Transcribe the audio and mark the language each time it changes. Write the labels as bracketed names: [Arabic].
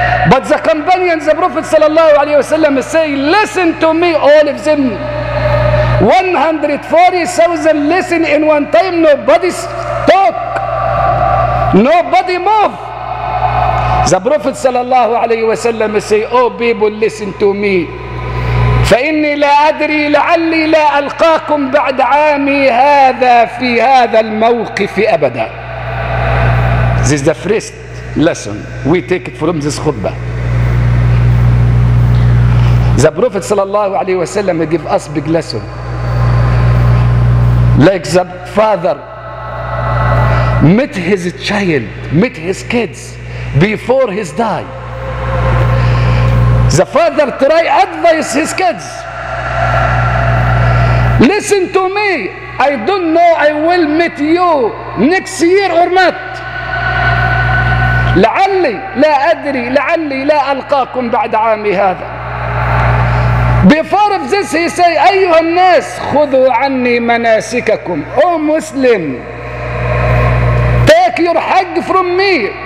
[English] But the companions, the Prophet sallallahu alayhi wa sallam say, listen to me, all of them 140,000 listen in one time. Nobody talk, nobody move. The Prophet sallallahu alayhi wa sallam say, oh people, listen to me. [Arabic] فإني لا أدري لعلي لا ألقاكم بعد عامي هذا في هذا الموقف أبدا. [English] This is the first lesson we take from this khutbah. The Prophet sallallahu alayhi wa sallam give us big lesson. Like the father met his child, met his kids before his die. The father try advise his kids, listen to me, I don't know I will meet you next year or not. [Arabic] لعلي لا أدري لعلي لا ألقاكم بعد عامي هذا. [English] Before of this he say, [Arabic] أيها الناس خذوا عني مناسككم. [English] Oh Muslim, take your hajj from me.